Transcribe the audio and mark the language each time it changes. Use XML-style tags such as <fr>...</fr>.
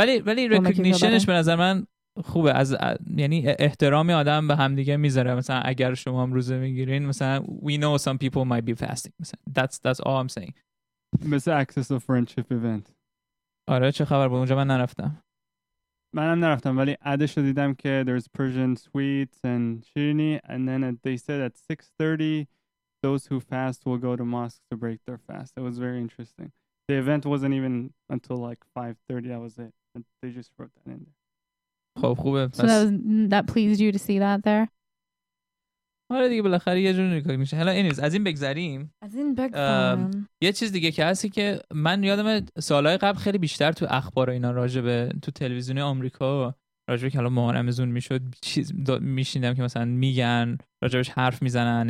<fa>ولی ریکگنیشنش به نظر من خوبه. یعنی احترام آدم به همدیگه میذاره. مثلا اگر شما هم روزه میگیرین، مثلا</fa> <en>we know some people might be fasting. مثلا that's all I'm saying. Miss Access of Friendship event.</en> <fa>آره چه خبر بود؟ اونجا من نرفتم. منم نرفتم ولی عدش رو دیدم که</fa> <en>there's Persian sweets and shirini and then they said at 6:30 those who fast will go to mosques to break their fast. It was very interesting. The event wasn't even until like 5:30. That was it. And they just wrote that in there.</en> <fa>خب خوبه.</fa> <en>So that pleased you to see that there?</en> <fa>آره دیگه بالاخره یه جور نگاه میشه. حالا اینیز از این بگذریم. از این بگذریم. یه چیز دیگه که هستی که من یادم سالهای قبل خیلی بیشتر تو اخبار اینا راجبه تو تلویزیون آمریکا و راجبه که حالا محرمزون میشد چیز میشیندم که مثلا میگن راجبش حرف میزنن.</fa>